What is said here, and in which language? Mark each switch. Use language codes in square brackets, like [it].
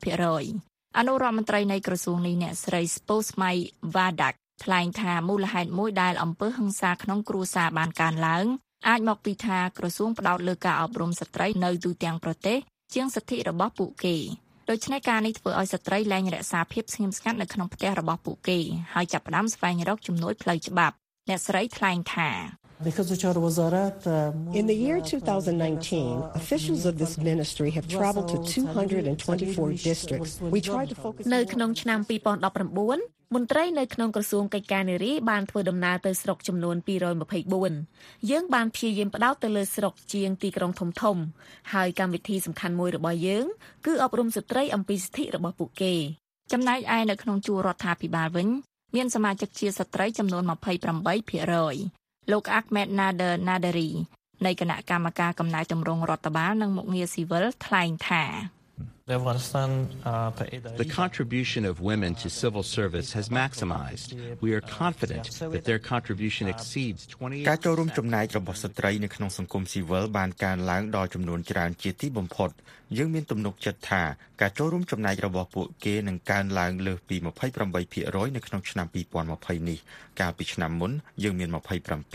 [km] 1% អនុរដ្ឋមន្ត្រីនៃក្រសួងនេះអ្នកស្រី Spousmay Vadak ថ្លែងថាមូលហេតុមួយដែលអំពើហិង្សាក្នុងគ្រួសារបានកើនឡើងអាចមកពីថាក្រសួងផ្តោតលើការអប់រំស្ត្រីនៅទូទាំងប្រទេសជាងសិទ្ធិរបស់ពួកគេដូច្នេះការនេះធ្វើឲ្យស្ត្រីលែងរក្សាភាពស្ងៀមស្ងាត់នៅក្នុងផ្ទះរបស់ពួកគេហើយចាប់ផ្ដើមស្វែងរកជំនួយផ្លូវច្បាប់អ្នកស្រីថ្លែងថា [en] Because the child was arrested in the year 2019 officials of this ministry have traveled to 224 districts we tried to focus [km] នៅក្នុងឆ្នាំ2019មន្ត្រីនៅក្នុងក្រសួងកិច្ចការនារីបានធ្វើដំណើរទៅស្រុកចំនួន224យើងបានព្យាយាមផ្តោតទៅលើស្រុកជាងទីក្រុងធំធំហើយកម្មវិធីសំខាន់មួយរបស់យើងគឺអប់រំស្ត្រីអំពីសិទ្ធិរបស់ពួកគេ ចំណែកឯនៅក្នុងជួររដ្ឋាភិបាលវិញមានសមាជិកជាស្ត្រីចំនួន 28% លោក Ahmed Nader Naderi នៃគណៈកម្មការកំណែទម្រង់រដ្ឋបាលនិងមុខងារស៊ីវិលថ្លែងថា [en] The contribution of women to civil service has maximized. We are confident that their contribution exceeds 28%. [km] ការចូលរួមចំណែករបស់ស្ត្រីនៅក្នុងសង្គមស៊ីវិលបានកើនឡើងដល់ចំនួនច្រើនជាទីបំផុតយើងមានទំនុកចិត្តថាការចូលរួមចំណែករបស់ពួកគេនឹងកើនឡើងលើសពី 28% នៅក្នុងឆ្នាំ2020នេះកាលពីឆ្នាំមុនយើងមាន 27%